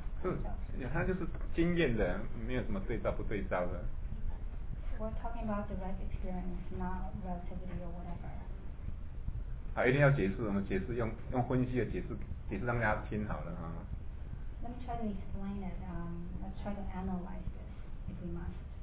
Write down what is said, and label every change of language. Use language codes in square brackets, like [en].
[zh] 是，他就是经验的，没有什么对照不对照的。 [en] So We're talking about the right experience, not relativity or whatever. [zh] 好，一定要解释，我们解释用分析的解释，解释让大家听好了哈。 [en] Let me try to explain it. Let's try to analyze this if we must.